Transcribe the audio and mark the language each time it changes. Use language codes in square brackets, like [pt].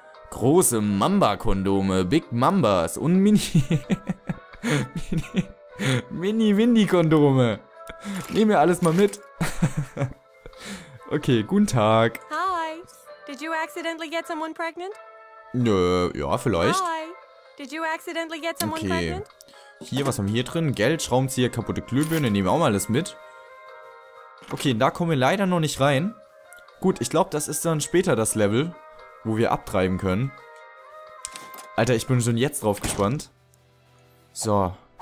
[de] Große Mamba-Kondome, Big Mambas und Mini-Windy-Kondome. Nehmen wir alles mal mit. Okay, guten Tag. [en] Hi. Did you accidentally get someone pregnant? [de] Nö, ja, vielleicht. [en] Hi. Did you accidentally get someone okay. pregnant? [de] Hier, was haben wir hier drin? Geld, Schraubenzieher, kaputte Glühbirne, nehmen wir auch mal alles mit. Okay, da kommen wir leider noch nicht rein. Gut, ich glaube, das ist dann später das Level, wo wir abtreiben können. Alter, ich bin schon jetzt drauf gespannt. So.